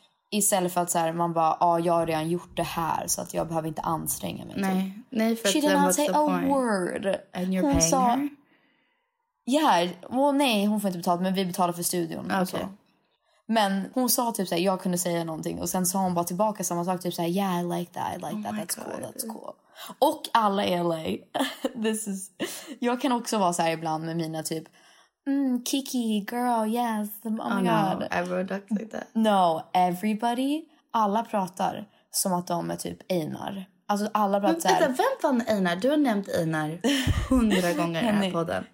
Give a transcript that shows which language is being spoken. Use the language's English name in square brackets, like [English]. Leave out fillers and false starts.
[Swedish] Istället för att så här, man bara... Ja, jag har redan gjort det här så att jag behöver inte anstränga mig. Nej, nej, för [English] she didn't say a word. And you're paying her? [Swedish] Ja, [English] yeah, well, [Swedish] nej, hon får inte betalt, men vi betalar för studion. Okej. Okay. Men hon sa typ såhär, jag kunde säga någonting. Och sen sa hon bara tillbaka samma sak. Typ såhär, [English] yeah, I like that, that's cool. [Swedish] Och alla är [English] like, this is... [Swedish] Jag kan också vara så här ibland med mina typ... [English] Kiki, girl, yes, oh my god. No, everyone talks like that. No, everybody, [Swedish] alla pratar som att de är typ Einar. Alltså alla pratar såhär... Vänta, vem fan Einar? Du har nämnt Einar 100 gånger här på den.